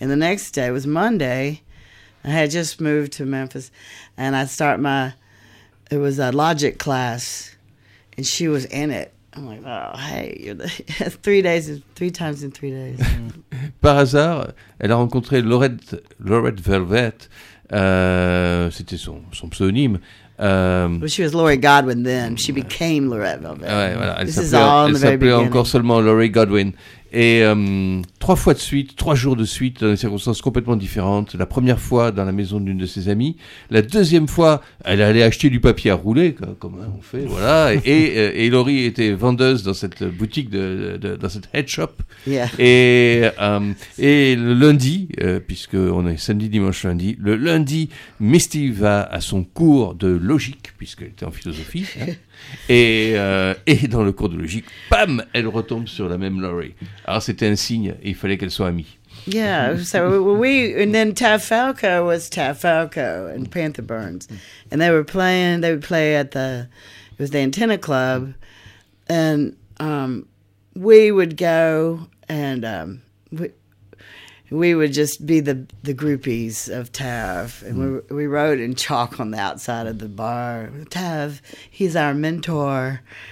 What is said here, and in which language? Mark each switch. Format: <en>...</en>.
<en>And the next day, it was Monday, I had just moved to Memphis, and I start my, it was a logic class, and she was in it. I'm like, oh, hey, three times in 3 days.</en> <fr>Par hasard, elle a rencontré Lorette Velvet. C'était son pseudonyme.</fr> <en>Well, she was Lori Godwin then. She became Lorette Velvet.</en> <fr>Ouais, voilà. Elle s'appelait encore seulement Lori Godwin. Et trois fois de suite, trois jours de suite, dans des circonstances complètement différentes. La première fois dans la maison d'une de ses amies. La deuxième fois, elle allait acheter du papier à rouler, comme on fait, voilà. Et Laurie était vendeuse dans cette boutique, dans cette head shop.</fr> <en>Yeah.</en> <fr>Et le lundi, puisqu'on est samedi, dimanche, lundi, le lundi, Misty va à son cours de logique, puisqu'elle était en philosophie. Hein. Et dans le cours de logique, bam, elle retombe sur la même Laurie. Alors c'était un signe, il fallait qu'elle soit amie.</fr> <en>Yeah, so we, and then Ty Falco was Ty Falco and Panther Burns. And they were playing, they would play at the, it was the Antenna Club. And we would go and we would just be the groupies of Tav, and we wrote in chalk on the outside of the bar, Tav, he's our mentor.</en>